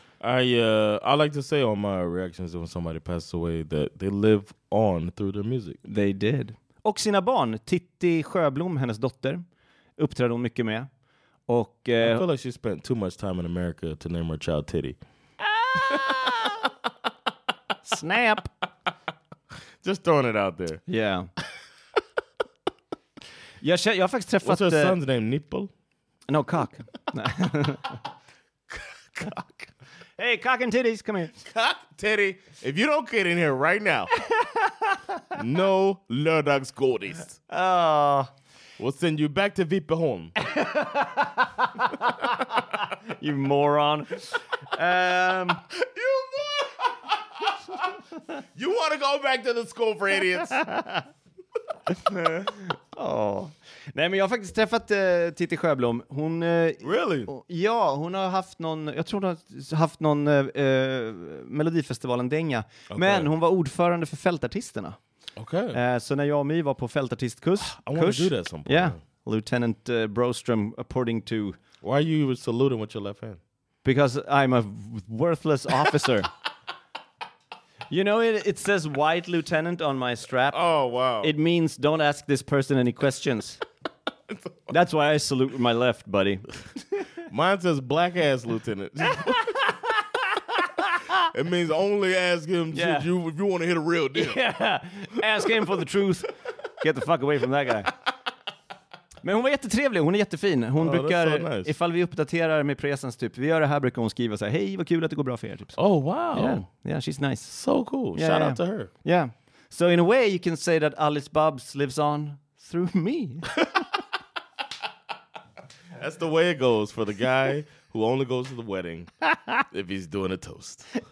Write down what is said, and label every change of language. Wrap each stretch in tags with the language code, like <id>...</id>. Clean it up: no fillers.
<en>I like to say on my reactions when somebody passed away that they live on through their music. They did.</en> <sv>Och sina barn, Titti Sjöblom, hennes dotter, uppträdde hon mycket med. Och,</sv> <en>I feel like she spent too much time in America to name her child Titty. Snap! Just throwing it out there. Yeah.</en> <sv>Jag har faktiskt träffat...</sv> <en>What's her son's name, Nipple? No, Cock. Cock. Hey, Cock and Titties, come here. Cock, Titty, if you don't get in here right now, no</en> <sv>lördags godis.</sv> <en>We'll send you back to Vipeholm. You moron. You moron! You want to go back to the school for idiots? Oh.</en> <sv>Nej, men jag har faktiskt träffat Titti Sjöblom. Hon, really? Ja, hon har haft någon, jag tror hon har haft någon Melodifestivalen dänga. Okay. Men hon var ordförande för fältartisterna.</sv> <en>Okay.</en> <sv>Så när jag och My var på fältartistkurs.</sv> <en>I want to do that some point. Yeah. Lieutenant Broström, according to... Why are you saluting with your left hand? Because I'm a worthless officer. You know, it says white lieutenant on my strap. Oh, wow. It means don't ask this person any questions. That's why I salute with my left, buddy. Mine says black ass lieutenant. It means only ask him if you want to hit a real deal. Yeah. Ask him for the truth. Get the fuck away from that guy.</en> <sv>Men hon var jättetrevlig, hon är jättefin. Hon brukar,</sv> <en>that's so nice.</en> <sv>Ifall vi uppdaterar med presens typ, vi gör det här, brukar hon skriva så här: hej, vad kul att det går bra för er. Typ.</sv> <en>Oh, wow. Yeah, she's nice. So cool. Yeah, shout out to her. Yeah. So in a way you can say that Alice Babs lives on through me. That's the way it goes for the guy who only goes to the wedding if he's doing a toast.</en>